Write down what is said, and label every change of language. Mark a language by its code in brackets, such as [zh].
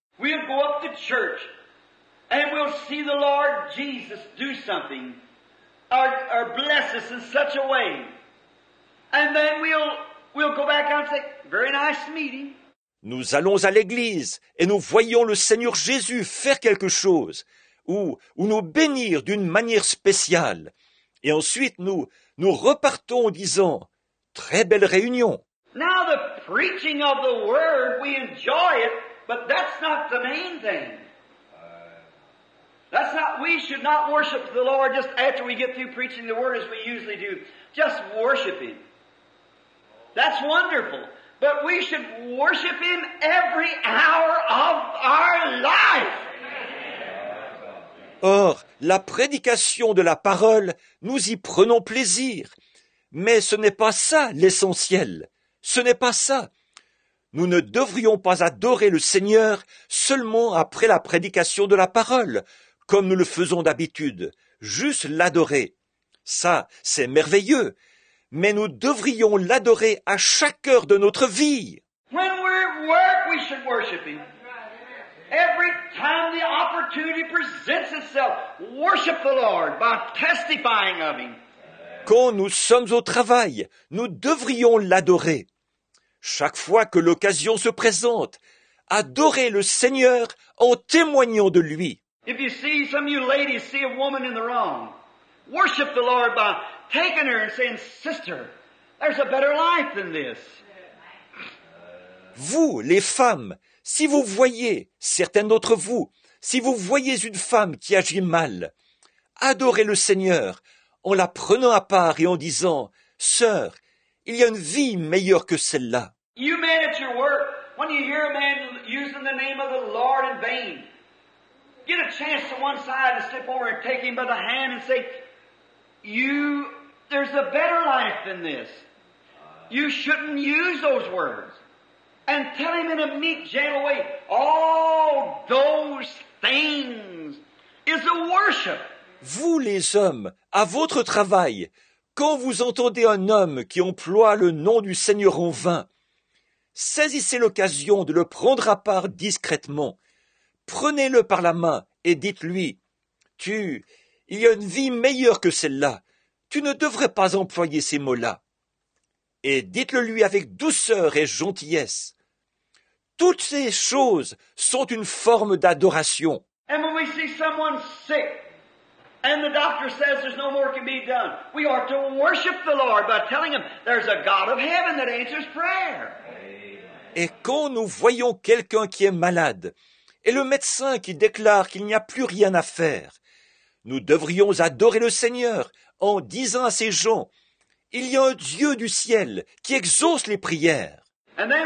[en] We'll go up to church and we'll see the Lord Jesus do something or bless us in such a way. And then we'll go back out and say, very nice meeting. [fr] Nous allons à l'église et nous voyons le Seigneur Jésus faire quelque chose. Ou nous bénir d'une manière spéciale. Et ensuite, nous repartons en disant, très belle réunion. [en] Now the preaching of the word, we enjoy it, but that's not the main thing. That's not, we should not worship the Lord just after we get through preaching the word as we usually do. Just worship him. That's wonderful. But we should worship him every hour of our life. [fr] Or, la prédication de la parole, nous y prenons plaisir. Mais ce n'est pas ça l'essentiel. Ce n'est pas ça. Nous ne devrions pas adorer le Seigneur seulement après la prédication de la parole, comme nous le faisons d'habitude, juste l'adorer. Ça, c'est merveilleux. Mais nous devrions l'adorer à chaque heure de notre vie. [en] When we're at work, we should worship him. Every time the opportunity presents itself, worship the Lord by testifying of him. [fr] Quand nous sommes au travail, nous devrions l'adorer. Chaque fois que l'occasion se présente, adorez le Seigneur en témoignant de lui. [en] If you see some of you ladies see a woman in the wrong, worship the Lord by taking her and saying, sister, there's a better life than this. [fr] Vous, les femmes, si vous voyez, certaines d'entre vous, si vous voyez une femme qui agit mal, adorez le Seigneur en la prenant à part et en disant, « Sœur, il y a une vie meilleure que celle-là. » [en] You men at your work, when you hear a man using the name of the Lord in vain, get a chance to one side and step over and take him by the hand and say, « You, there's a better life than this. You shouldn't use those words. » And tell him in a meek, gentle way, all those things is a worship. [fr] Vous, les hommes, à votre travail, quand vous entendez un homme qui emploie le nom du Seigneur en vain, saisissez l'occasion de le prendre à part discrètement. Prenez-le par la main et dites-lui, « Tu, il y a une vie meilleure que celle-là. Tu ne devrais pas employer ces mots-là. » Et dites-le-lui avec douceur et gentillesse. Toutes ces choses sont une forme d'adoration. [en] And when we see someone sick, and the doctor says there's no more can be done, we are to worship the Lord by telling him there's a God of heaven that answers prayer. [fr] Et quand nous voyons quelqu'un qui est malade, et le médecin qui déclare qu'il n'y a plus rien à faire. Nous devrions adorer le Seigneur en disant à ces gens, « Il y a un Dieu du ciel qui exauce les prières. »